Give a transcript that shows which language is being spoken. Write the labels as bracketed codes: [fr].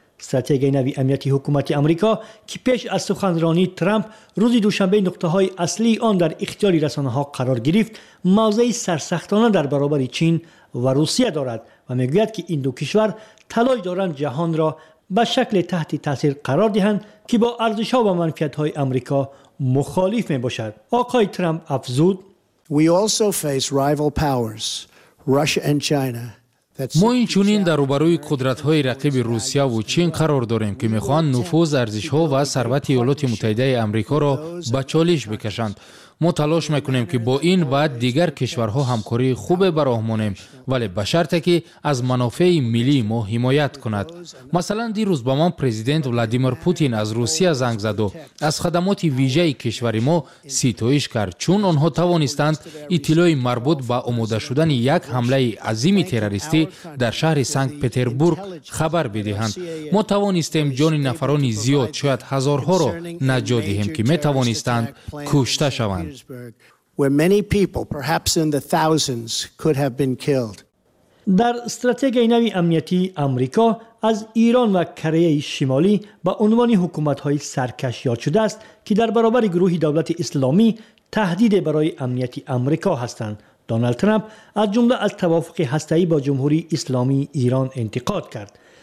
[fa] استراتژی نوی امنیتی حکومت آمریکا که پیش از سخنرانی ترامپ روز دوشنبه نقطه‌های اصلی آن در اختیار رسانه‌ها قرار گرفت، موضع سرسختانه در برابر چین و روسیه دارد و می‌گوید که این دو کشور تلاش دارند جهان را به شکل تحت تاثیر قرار دهند که با ارزش‌ها و منفعت‌های آمریکا مخالف می‌باشد. آقای ترامپ افزود: [en] We also face rival powers, Russia and China. [fa] ما اینچونین در روبروی قدرت‌های رقیب روسیه و چین قرار داریم که می‌خواهند نفوذ، ارزش‌ها و ثروت ایالات متحده آمریکا را به چالش بکشند. ما تلاش می‌کنیم که با این و دیگر کشورها همکاری خوب براهمونیم، ولی به شرطی که از منافع ملی ما حمایت کند. مثلا دیروز با من پرزیدنت ولادیمیر پوتین از روسیه زنگ زد و از خدمات ویژه کشور ما ستایش کرد، چون آنها توانستند اطلاع مربوط به آماده شدن یک حمله عظیم تروریستی در شهر سنت پترزبورگ خبر بدهند. ما توانستیم جان نفران زیاد، شاید هزارها را نجات دهیم که می‌توانستند کشته شوند. [en] Where many people, perhaps in the thousands, could have been killed. [fa] در استراتژی نوی امنیتی آمریکا از ایران و کره شمالی به عنوان حکومت‌های سرکش یاد شده است که در برابر گروه دولت اسلامی تهدید برای امنیت آمریکا هستند. دونالد ترامپ از جمله از توافق هسته‌ای با جمهوری اسلامی ایران انتقاد کرد.